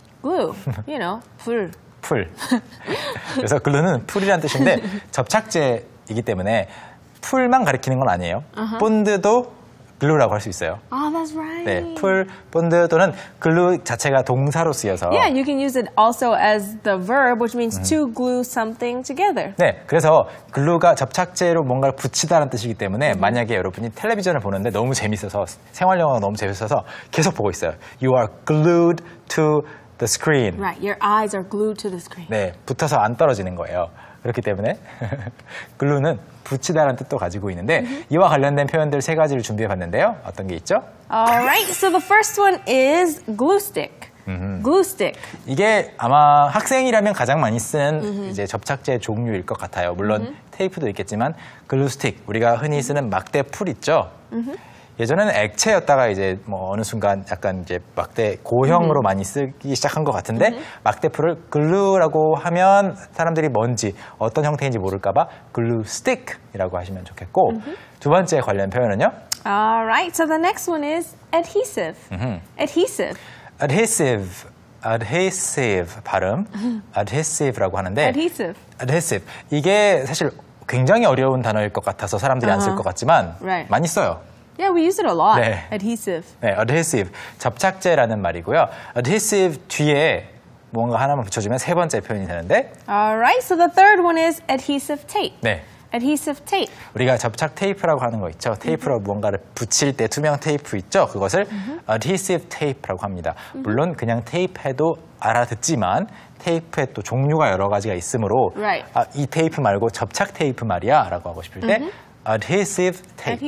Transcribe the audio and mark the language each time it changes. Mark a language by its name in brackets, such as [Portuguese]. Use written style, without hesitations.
[English] Glue. You know, 풀. [Korean] 풀. 그래서 glue는 풀이란 뜻인데 접착제. 이기 때문에 풀만 가리키는 건 아니에요. 본드도 글루라고 할 수 있어요. [English] Oh, that's right. [Korean] 네, 풀, 본드 또는 글루 자체가 동사로 쓰여서 [English] Yeah, you can use it also as the verb, which means to glue something together. [Korean] 네, 그래서 글루가 접착제로 뭔가를 붙이다라는 뜻이기 때문에 만약에 여러분이 텔레비전을 보는데 너무 재밌어서 생활 영화가 너무 재밌어서 계속 보고 있어요. [English] You are glued to the screen. Right, your eyes are glued to the screen. [Korean] 네, 붙어서 안 떨어지는 거예요. 그렇기 때문에 글루는 붙이다라는 뜻도 가지고 있는데 이와 관련된 표현들 세 가지를 준비해봤는데요. 어떤 게 있죠? [English] Alright, so the first one is glue stick. Glue stick. [Korean] 이게 아마 학생이라면 가장 많이 쓴 이제 접착제 종류일 것 같아요. 물론 테이프도 있겠지만 글루 스틱, 우리가 흔히 쓰는 막대 풀 있죠? 예전에는 액체였다가 이제 뭐 어느 순간 약간 이제 막대 고형으로 많이 쓰기 시작한 것 같은데 막대풀을 글루라고 하면 사람들이 뭔지 어떤 형태인지 모를까봐 글루 스틱이라고 하시면 좋겠고 두 번째 관련 표현은요? [English] Alright, so the next one is adhesive. Adhesive. [Korean] Adhesive. Adhesive 발음. Adhesive라고 하는데 [English] Adhesive. Adhesive. [Korean] 이게 사실 굉장히 어려운 단어일 것 같아서 사람들이 안 쓸 것 같지만 많이 써요. [English] Yeah, we use it a lot. 네. Adhesive. [Korean] 네, adhesive. 접착제라는 말이고요. Adhesive 뒤에 뭔가 하나만 붙여주면 세 번째 표현이 되는데. [English] Alright, so the third one is adhesive tape. [Korean] 네. [English] Adhesive tape. [Korean] 우리가 접착 테이프라고 하는 거 있죠. 테이프로 무언가를 붙일 때 투명 테이프 있죠. 그것을 adhesive tape라고 합니다. 물론 그냥 테이프 해도 알아듣지만 테이프의 또 종류가 여러 가지가 있으므로 아, 이 테이프 말고 접착 테이프 말이야 라고 하고 싶을 때 adhesive tape.